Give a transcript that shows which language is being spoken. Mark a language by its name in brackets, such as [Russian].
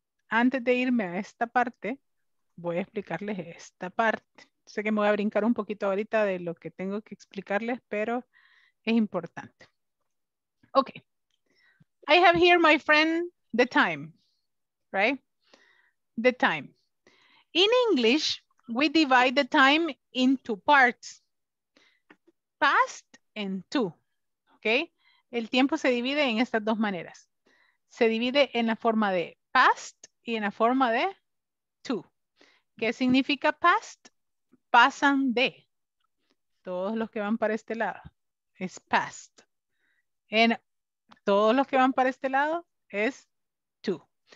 [Spanish] Antes de irme a esta parte, voy a explicarles esta parte. Sé que me voy a brincar un poquito ahorita de lo que tengo que explicarles, pero es importante. Okay. [English] I have here my friend, the time, right? The time. In English, we divide the time into parts, past and to, okay? [Spanish] El tiempo se divide en estas 2 maneras. Se divide en la forma de past y en la forma de to. ¿Qué significa past? Pasan de. Todos los que van para este lado es past. And todos los que van para este lado es to.